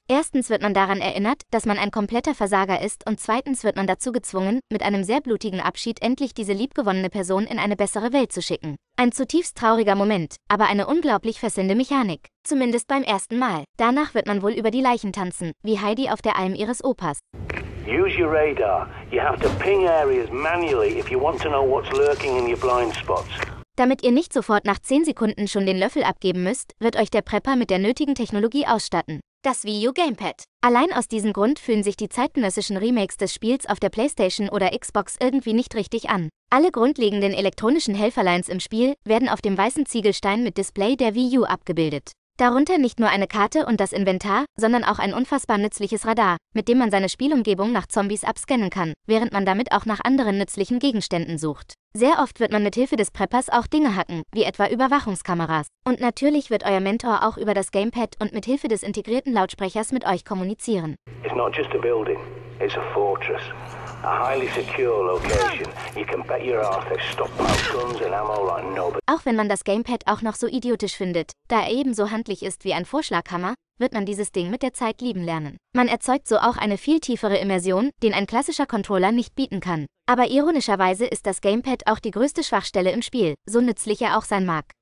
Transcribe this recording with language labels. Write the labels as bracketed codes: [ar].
[de] Erstens wird man daran erinnert, dass man ein kompletter Versager ist und zweitens wird man dazu gezwungen, mit einem sehr blutigen Abschied endlich diese liebgewonnene Person in eine bessere Welt zu schicken. Ein zutiefst trauriger Moment, aber eine unglaublich fesselnde Mechanik. Zumindest beim ersten Mal. Danach wird man wohl über die Leichen tanzen, wie Heidi auf der Alm ihres Opas. [en] Use your radar. You have to ping areas manually if you want to know what's lurking in your blind spots. [de] Damit ihr nicht sofort nach 10 Sekunden schon den Löffel abgeben müsst, wird euch der Prepper mit der nötigen Technologie ausstatten. Das Wii U Gamepad. Allein aus diesem Grund fühlen sich die zeitgenössischen Remakes des Spiels auf der PlayStation oder Xbox irgendwie nicht richtig an. Alle grundlegenden elektronischen Helferlines im Spiel werden auf dem weißen Ziegelstein mit Display der Wii U abgebildet. Darunter nicht nur eine Karte und das Inventar, sondern auch ein unfassbar nützliches Radar, mit dem man seine Spielumgebung nach Zombies abscannen kann, während man damit auch nach anderen nützlichen Gegenständen sucht. Sehr oft wird man mit Hilfe des Preppers auch Dinge hacken, wie etwa Überwachungskameras. Und natürlich wird euer Mentor auch über das Gamepad und mit Hilfe des integrierten Lautsprechers mit euch kommunizieren. [en] It's not just a building, it's a fortress. A highly secure location. You can bet your ass they stockpile guns and ammo like nobody. [de] Auch wenn man das Gamepad auch noch so idiotisch findet, da er ebenso handlich ist wie ein Vorschlaghammer, wird man dieses Ding mit der Zeit lieben lernen. Man erzeugt so auch eine viel tiefere Immersion, den ein klassischer Controller nicht bieten kann. Aber ironischerweise ist das Gamepad auch die größte Schwachstelle im Spiel, so nützlich er auch sein mag.